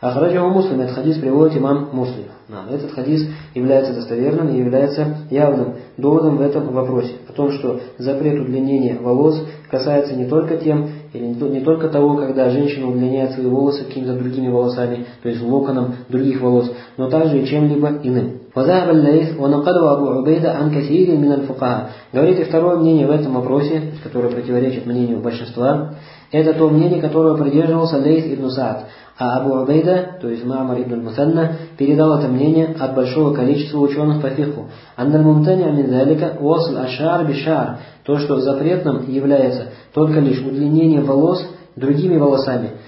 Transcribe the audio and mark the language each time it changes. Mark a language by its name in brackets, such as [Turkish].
[Russian] Ахраджаху Муслим, этот хадис приводит имам Муслим. Этот хадис является достоверным и является явным доводом в этом вопросе, о том, что запрет удлинения волос касается не только тем, или не только того, когда женщина удлиняет свои волосы какими-то другими волосами, то есть локоном других волос, но также и чем-либо иным. [Arabic] وذهب الليث ونقده أبو عبيدة عن كثير من الفقهاء. [Russian] Говорит, и второе мнение в этом вопросе, которое противоречит мнению большинства, это то мнение, которого придерживался Лейс ибн Саад. А Абу Убейда, то есть Маамар ибн Мусанна, передал это мнение от большого количества ученых по фикху. [Arabic] Анналь мумтани мин залика васл аш-шаар биш-шаар. [Russian] То, что запретным является только лишь удлинение волос другими волосами.